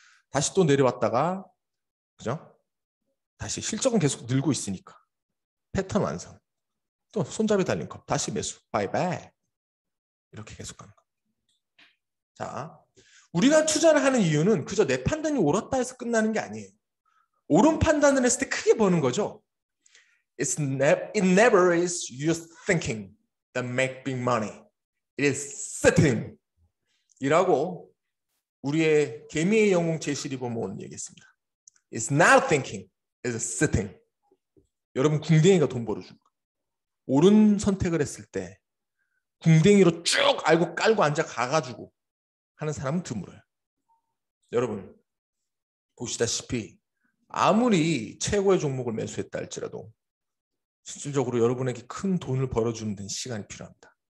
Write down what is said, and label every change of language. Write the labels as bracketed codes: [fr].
[ko] 다시 또 내려왔다가 그죠? 다시 실적은 계속 늘고 있으니까. 패턴 완성. 또 손잡이 달린 컵. 다시 매수. 바이바이. 이렇게 계속 가는 거. 자, 우리가 투자를 하는 이유는 그저 내 판단이 옳았다 해서 끝나는 게 아니에요. 옳은 판단을 했을 때 크게 버는 거죠. [en] It never is your thinking that make big money. It is sitting. [ko] 이라고 우리의 개미의 영웅 제시 리버몬 얘기했습니다. [en] It's not thinking, it's sitting. [ko] 여러분 궁뎅이가 돈 벌어준 거. 옳은 선택을 했을 때 궁뎅이로 쭉 알고 깔고 앉아 가가지고 하는 사람은 드물어요. 여러분 보시다시피 아무리 최고의 종목을 매수했다 할지라도 실질적으로 여러분에게 큰 돈을 벌어주는 데는 시간이 필요합니다.